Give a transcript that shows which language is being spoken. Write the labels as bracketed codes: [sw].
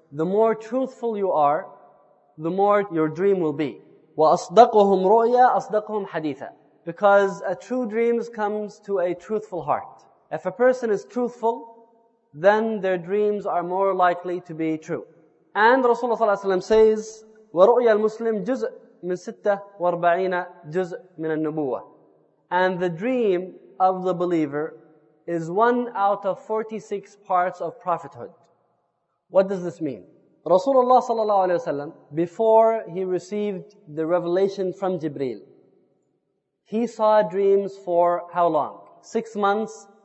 [en] The more truthful you are, the more your dream will be. [ar] وَأَصْدَقُهُمْ رُؤْيَا أَصْدَقُهُمْ حَدِيثًا. [en] Because a true dream comes to a truthful heart. If a person is truthful, then their dreams are more likely to be true. And Rasulullah sallallahu alayhi wa sallam says, [ar] وَرُؤْيَا الْمُسْلِمْ جُزْءٌ مِنْ سِتَّةٌ وَأَرْبَعِينَ جُزْءٌ مِنَ النُّبُوَّةِ. [en] And the dream of the believer is one out of 46 parts of prophethood. What does this mean? Rasulullah sallallahu alayhi wa sallam, before he received the revelation from Jibreel, he saw dreams for how long? 6 months.